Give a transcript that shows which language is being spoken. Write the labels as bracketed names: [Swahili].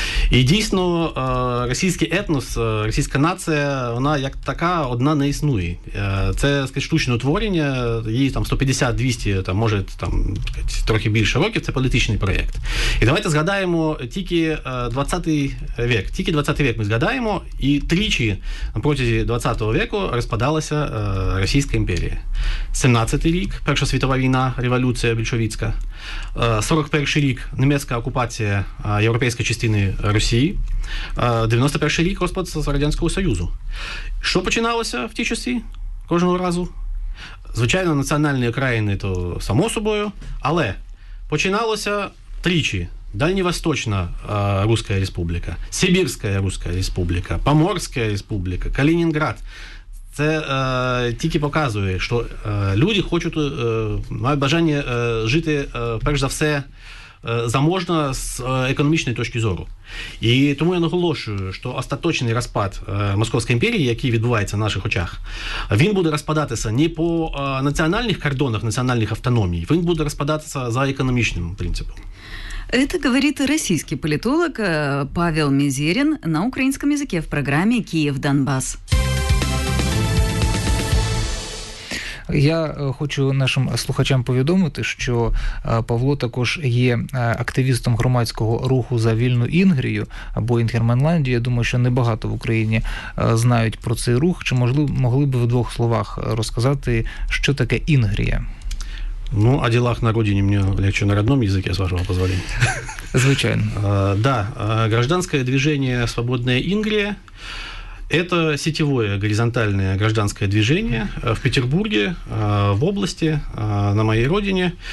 [Ukrainian] І дійсно, російський етнос, російська нація, вона як така одна не існує. Це, скажімо, штучне утворення, їй там 150-200, там, може, там, трохи більше років, це політичний проєкт. І давайте згадаємо тільки 20-й вік. Тільки 20-й вік ми згадаємо, і тричі протягом 20-го віку розпочинаємо [Russian] распадалася Российская империя. [Ukrainian] 17-й рік, Перша світова війна, революція більшовіцька. 41-й рік, німецька окупація європейської частини Росії. 91-й рік, розпад Радянського Союзу. Що починалося в ті часи кожного разу? Звичайно, національні країни, то само собою, але починалося тричі. Дальневосточна Руська Республіка, Сибірська Руська Республіка, Поморська Республіка, Калінінград. Це тільки показує, що люди хочуть, мають бажання жити, перш за все, заможно з економічної точки зору. І тому я наголошую, що остаточний розпад Московської імперії, який відбувається в наших очах, він буде розпадатися не по національних кордонах, національних автономій, він буде розпадатися за економічним принципом. [Russian] Это говорит российский политолог Павел Мизерин на украинском языке в программе «Киев-Донбасс». [Ukrainian] Я хочу нашим слухачам повідомити, що Павло також є активістом громадського руху за вільну Інгрію або Інгерменландію. Я думаю, що небагато в Україні знають про цей рух. Чи могли б в двох словах розказати, що таке Інгрія? [Russian] Ну, о делах на родине мне легче на родном языке, с вашего позволения. [Ukrainian] Звичайно. [Russian] Да, гражданское движение «Свободная Ингрия» – это сетевое горизонтальное гражданское движение в Петербурге, в области, на моей родине.